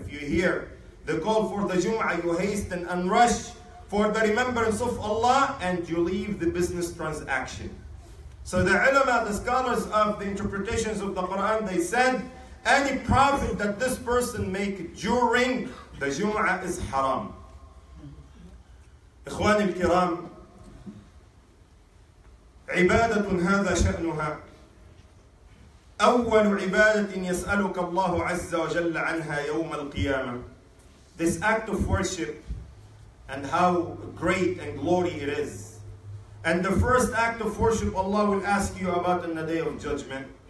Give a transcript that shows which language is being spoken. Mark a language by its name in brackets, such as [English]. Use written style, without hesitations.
[English] If you hear the call for the Jumu'ah, you hasten and rush for the remembrance of Allah and you leave the business transaction. So the ulama, the scholars of the interpretations of the Quran, they said, any profit that this person make during the Jumu'ah is haram. [Arabic] إخواني الكرام، عبادة هذا شأنها أول عبادة يسألك الله عز وجل عنها يوم القيامة. [English] This act of worship and how great and glory it is. And the first act of worship Allah will ask you about in the day of judgment.